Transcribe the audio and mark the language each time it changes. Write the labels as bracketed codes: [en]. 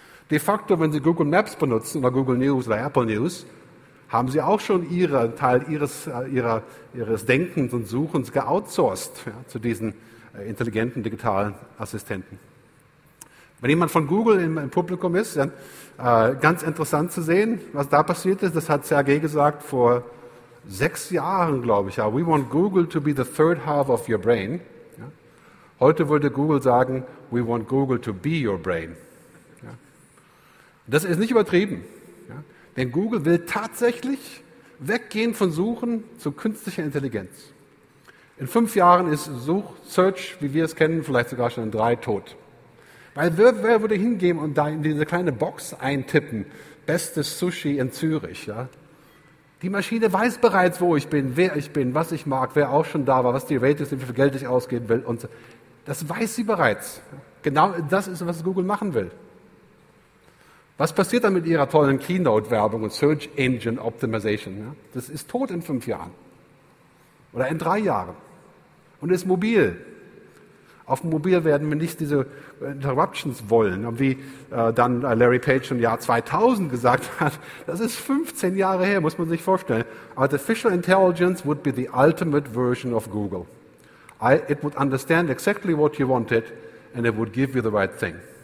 [de] De facto, wenn Sie Google Maps benutzen oder Google News oder Apple News, haben Sie auch schon Teil Ihres Denkens und Suchens geoutsourced, ja, zu diesen intelligenten digitalen Assistenten. Wenn jemand von Google im Publikum ist, dann, ganz interessant zu sehen, was da passiert ist. Das hat Sergey gesagt vor 6 Jahren, glaube ich. Ja. [en] We want Google to be the third half of your brain. [de] Ja. Heute würde Google sagen, [en] we want Google to be your brain. [de] Das ist nicht übertrieben, ja? Denn Google will tatsächlich weggehen von Suchen zu künstlicher Intelligenz. In 5 Jahren ist Search, wie wir es kennen, vielleicht sogar schon in 3 tot. Weil wer würde hingehen und da in diese kleine Box eintippen, bestes Sushi in Zürich? Ja? Die Maschine weiß bereits, wo ich bin, wer ich bin, was ich mag, wer auch schon da war, was die Rate ist, wie viel Geld ich ausgeben will. Und so. Das weiß sie bereits. Genau das ist, was Google machen will. Was passiert dann mit Ihrer tollen Keynote-Werbung und Search Engine Optimization? Ja? Das ist tot in 5 Jahren oder in 3 Jahren und ist mobil. Auf mobil werden wir nicht diese Interruptions wollen, wie dann Larry Page im Jahr 2000 gesagt hat. Das ist 15 Jahre her, muss man sich vorstellen. [en] Artificial Intelligence would be the ultimate version of Google. It would understand exactly what you wanted and it would give you the right thing.